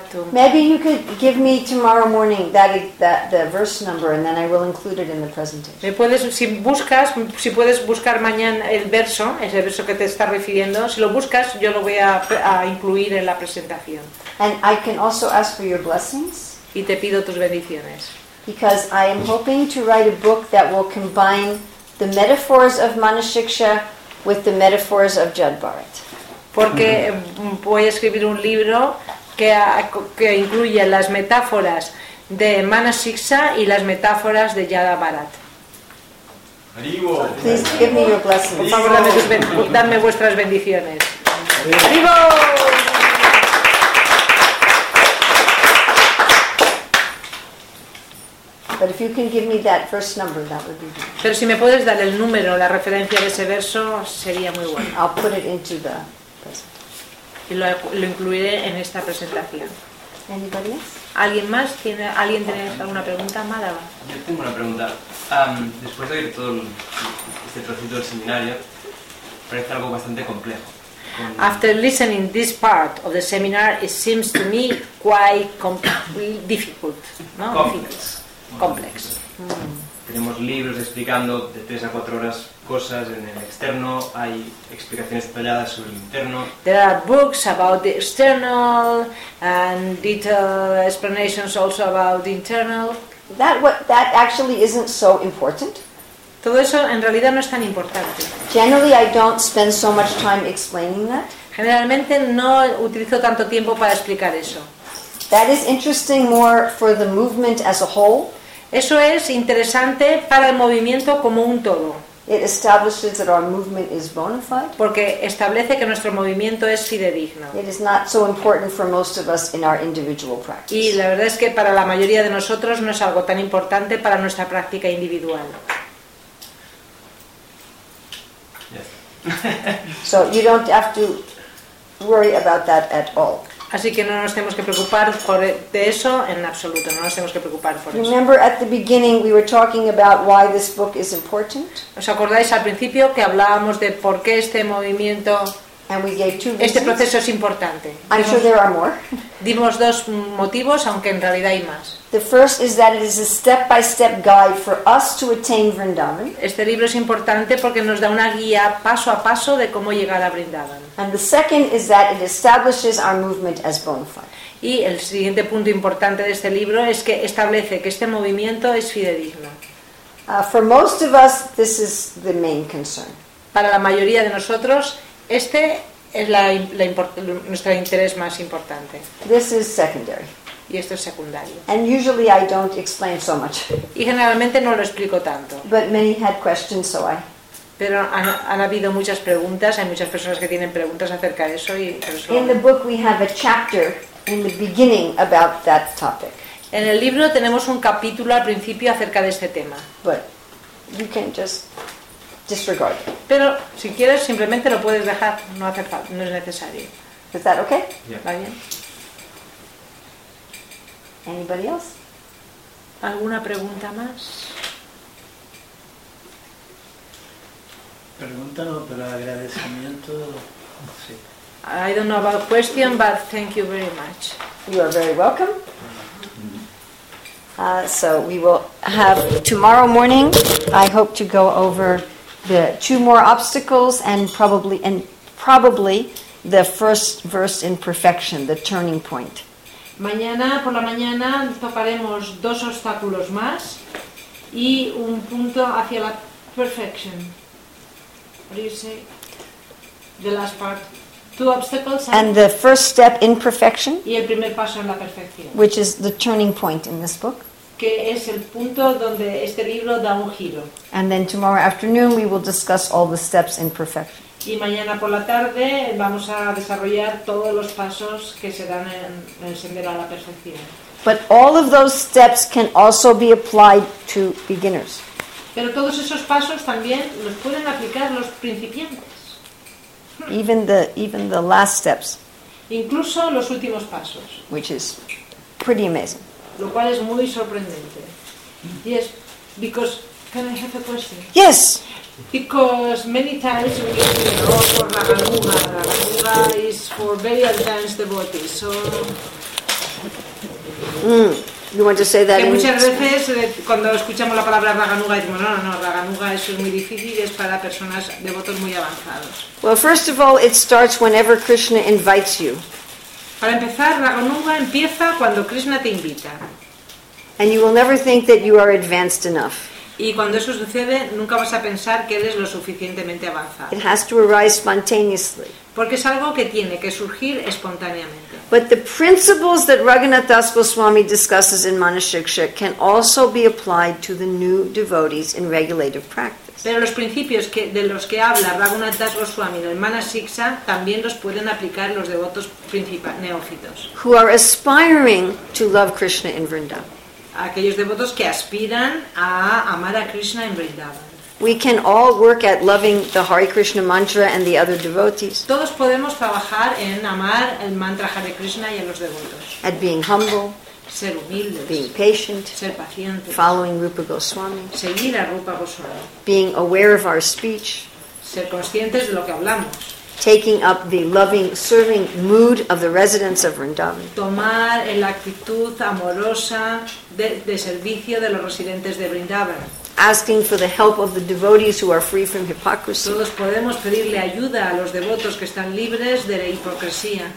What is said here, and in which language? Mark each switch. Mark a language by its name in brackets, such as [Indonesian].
[English] Maybe you could give me tomorrow morning that the verse number, and then I will include it in the presentation. [Spanish] Me puedes si puedes buscar mañana el verso, ese verso que te está refiriendo. Si lo buscas, yo lo voy a incluir en la presentación. [English] And I can also ask for your blessings. [Spanish] Y te pido tus bendiciones. [English] Because I am hoping to write a book that will combine the metaphors of Manasiksha with the metaphors of Judd Barrett. [Spanish] Porque voy a escribir un libro que incluye las metáforas de Manasiksha y las metáforas de Yada Bharat. Arivo. [English] Please give me your blessings. [Spanish] Por favor, dame vuestras bendiciones. Arivo. [English] But if you can give me that verse number, that would be good. [Spanish] Pero si me puedes dar el número, la referencia de ese verso, sería muy bueno. [English] I'll put it into the presentation. [Spanish] Y lo incluiré en esta presentación. [English] Anybody else? [Spanish] ¿Alguien más? ¿Alguien tiene alguna pregunta? Málaga. Yo tengo una pregunta. Después de ver todo este trocito del seminario, parece algo bastante complejo. [English] After listening this part of the seminar, it seems to me quite difficult, no? Complex. [Spanish] Tenemos libros explicando de 3 a 4 horas cosas en el externo, hay explicaciones detalladas sobre el interno. [English] There are books about the external and detailed explanations also about the internal. That actually isn't so important. [Spanish] Todo eso en realidad no es tan importante. [English] Generally, I don't spend so much time explaining that. [Spanish] Generalmente no utilizo tanto tiempo para explicar eso. [English] That is interesting more for the movement as a whole. [Spanish] Eso es interesante para el movimiento como un todo. [English] It establishes that our movement is bona fide. [Spanish] Porque establece que nuestro movimiento es fidedigno. [English] It is not so important for most of us in our individual practice. [Spanish] Y la verdad es que para la mayoría de nosotros no es algo tan importante para nuestra práctica individual. [English] So you don't have to worry about that at all. [Spanish] Así que no nos tenemos que preocupar por de eso en absoluto. No nos tenemos que preocupar por eso. [English] Remember, at the beginning, we were talking about why this book is important. [Spanish] ¿Os acordáis al principio que hablábamos de por qué este movimiento, [English] and we gave two reasons. [Spanish] Este proceso es importante? [English] I'm sure there are more. [Spanish] Dimos dos motivos, aunque en realidad hay más. [English] The first is that it is a step-by-step guide for us to attain Vrindavan. [Spanish] Este libro es importante porque nos da una guía paso a paso de cómo llegar a Vrindavan. [English] And the second is that it establishes our movement as bona fide. [Spanish] Y el siguiente punto importante de este libro es que establece que este movimiento es fidedigno. [English] For most of us, this is the main concern. [Spanish] Para la mayoría de nosotros, este es nuestro interés más importante. [English] This is secondary. [Spanish] Y esto es secundario. [English] And usually I don't explain so much. [Spanish] Y generalmente no lo explico tanto. [English] But many had questions, so I... [Spanish] Pero han habido muchas preguntas, hay muchas personas que tienen preguntas acerca de eso. [English] In the book we have a chapter in the beginning about that topic. [Spanish] En el libro tenemos un capítulo al principio acerca de este tema. [English] But you can just disregard. [Spanish] Pero si quieres simplemente lo puedes dejar, no hace falta, no es necesario. [English] Is that okay? Yeah. [Spanish] ¿Va bien? [English] Anybody else? [Spanish] ¿Alguna pregunta más? Pregunta no, pero agradecimiento. Sí. [English] I don't know about question, but thank you very much. You are very welcome. So we will have tomorrow morning. I hope to go over the 2 more obstacles and probably the first verse in perfection, the turning point. [Spanish] Mañana por la mañana toparemos 2 obstáculos más y un punto hacia la perfection. [English] What do you say? The last part. 2 obstacles and the first step in perfection. [Spanish] Y el primer paso en la perfección. [English] Which is the turning point in this book. [Spanish] Que es el punto donde este libro da un giro. [English] And then tomorrow afternoon we will discuss all the steps in perfection. [Spanish] Y mañana por la tarde vamos a desarrollar todos los pasos que se dan en el sendero a la perfección. [English] But all of those steps can also be applied to beginners. [Spanish] Pero todos esos pasos también los pueden aplicar los principiantes. [English] Even the last steps. [Spanish] Incluso los últimos pasos. [English] Which is pretty amazing. [Spanish] Lo cual es muy sorprendente. [English] Yes, because can I have a question? Yes. Because many times we get the role for Ragamuga. Ragamuga is for very advanced devotees. So you want to say that? [Spanish] Que muchas veces cuando escuchamos la palabra Ragamuga decimos no, Ragamuga eso es muy difícil y es para personas devotos muy avanzados. [English] Well, first of all, it starts whenever Krishna invites you. [Spanish] Para empezar, Ragamuga empieza cuando Krishna te invita. [English] And you will never think that you are advanced enough. [Spanish] Y cuando eso sucede, nunca vas a pensar que eres lo suficientemente avanzado. [English] It has to arise spontaneously. [Spanish] Porque es algo que tiene que surgir espontáneamente. [English] But the principles that Raghunath Das Goswami discusses in Manushiksha can also be applied to the new devotees in regulative practice. [Spanish] Pero los principios de los que habla Raghunath Das Goswami en Manushiksha también los pueden aplicar los devotos neófitos. [English] Who are aspiring to love Krishna in Vrindavan. [Spanish] aquellos devotos que aspiran a amar a Krishna en Vrindavan. [English] We can all work at loving the Hare Krishna mantra and the other devotees. [Spanish] Todos podemos trabajar en amar el mantra Hare Krishna y a los devotos. [English] At being humble, [Spanish] ser humildes, [English] being patient, [Spanish] ser pacientes, [English] following Rupa Goswami, [Spanish] seguir a Rupa Goswami, [English] being aware of our speech, [Spanish] ser conscientes de lo que hablamos, [English] taking up the loving, serving mood of the residents of Vrindavan. [Spanish] Tomar la actitud amorosa de servicio de los residentes de Vrindavan. [English] Asking for the help of the devotees who are free from hypocrisy. [Spanish] Todos podemos pedirle ayuda a los devotos que están libres de la hipocresía.